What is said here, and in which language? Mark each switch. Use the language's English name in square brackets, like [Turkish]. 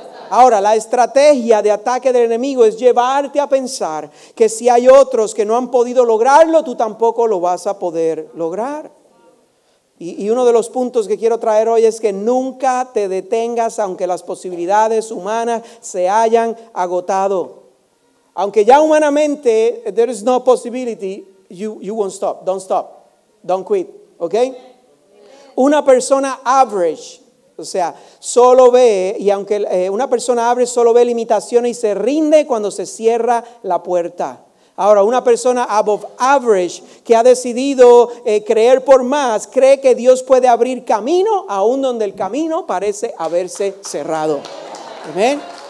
[Spanish] Ahora, la estrategia de ataque del enemigo es llevarte a pensar que si hay otros que no han podido lograrlo, tú tampoco lo vas a poder lograr. Y uno de los puntos que quiero traer hoy es que nunca te detengas aunque las posibilidades humanas se hayan agotado. Aunque ya humanamente [English] there is no possibility, you won't stop. Don't stop. Don't quit. Okay? [Spanish] Una persona average, o sea, solo ve, y aunque una persona average solo ve limitaciones y se rinde cuando se cierra la puerta. Ahora, una persona [English] above average [Spanish] que ha decidido creer por más, cree que Dios puede abrir camino aún donde el camino parece haberse cerrado. Amén.